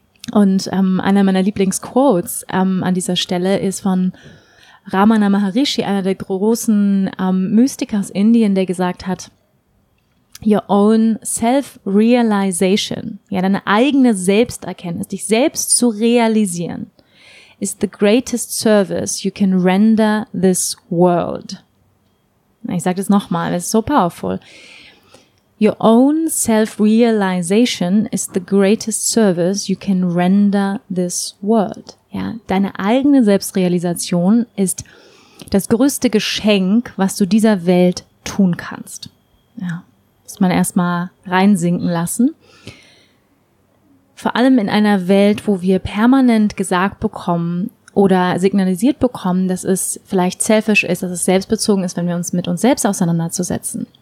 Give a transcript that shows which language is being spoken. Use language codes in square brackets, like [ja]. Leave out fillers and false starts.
[de] Und einer meiner Lieblingsquotes an dieser Stelle ist von Ramana Maharishi, einer der großen Mystiker aus Indien, der gesagt hat, [en] your own self-realization, [de] ja, deine eigene Selbsterkenntnis, dich selbst zu realisieren, [en] is the greatest service you can render this world. [de] Ich sage das nochmal, es ist so powerful. [en] Your own self-realization is the greatest service you can render this world. [de] Ja, deine eigene Selbstrealisation ist das größte Geschenk, was du dieser Welt tun kannst. Ja. Muss man erstmal reinsinken lassen. Vor allem in einer Welt, wo wir permanent gesagt bekommen oder signalisiert bekommen, dass es vielleicht selfish ist, dass es selbstbezogen ist, wenn wir uns mit uns selbst auseinanderzusetzen.